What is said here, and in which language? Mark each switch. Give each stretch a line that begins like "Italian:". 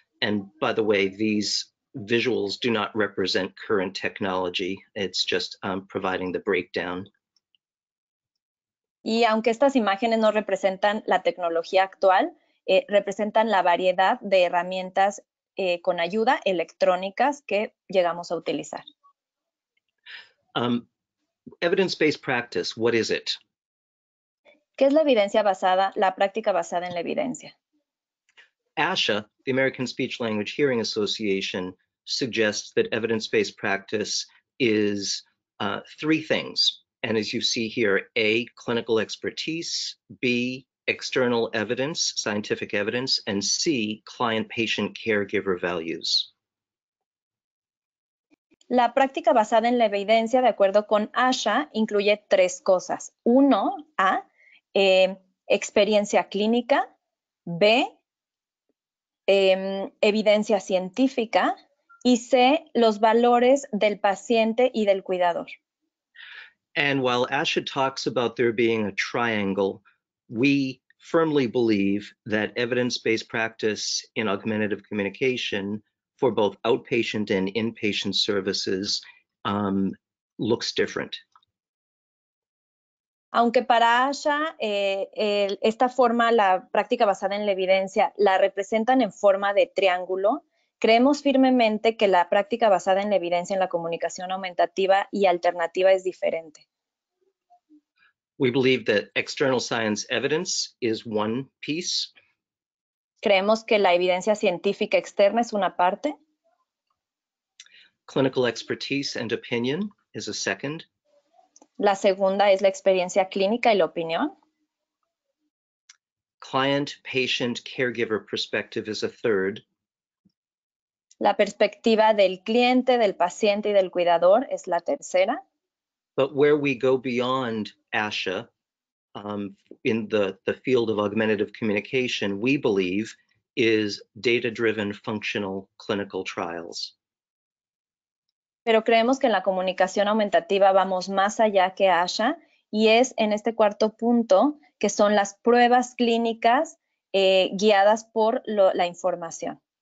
English: And by the way, these visuals do not represent current technology. It's just providing the breakdown.
Spanish: Y aunque estas imágenes no representan la tecnología actual, representan la variedad de herramientas con ayuda electrónicas que llegamos a utilizar.
English: Evidence-based practice, what is it?
Spanish: ¿Qué es la evidencia basada, la práctica basada en la evidencia?
English: ASHA, the American Speech Language Hearing Association, suggests that evidence-based practice is three things. And as you see here, A, clinical expertise, B, external evidence, scientific evidence, and C, client-patient caregiver values.
Spanish: La práctica basada en la evidencia, de acuerdo con ASHA, incluye tres cosas. Uno, A, experiencia clínica, B, evidencia científica, y C, los valores del paciente y del cuidador.
English: And while ASHA talks about there being a triangle, we firmly believe that evidence-based practice in augmentative communication for both outpatient and inpatient services looks different.
Spanish: Aunque para ASHA esta forma, la práctica basada en la evidencia, la representan en forma de triángulo, creemos firmemente que la práctica basada en la evidencia en la comunicación aumentativa y alternativa es diferente.
English: We believe that external science evidence is one piece.
Spanish: Creemos que la evidencia científica externa es una parte.
English: Clinical expertise and opinion is a second.
Spanish: La segunda es la experiencia clínica y la opinión.
English: Client, patient, caregiver perspective is a third.
Spanish: La perspectiva del cliente, del paciente y del cuidador es la tercera.
English: But where we go beyond ASHA, in the field of augmentative communication, we believe is data-driven functional clinical trials.
Spanish: Pero creemos que en la comunicación aumentativa vamos más allá que ASHA, y es en este cuarto punto que son las pruebas clínicas guiadas por la información.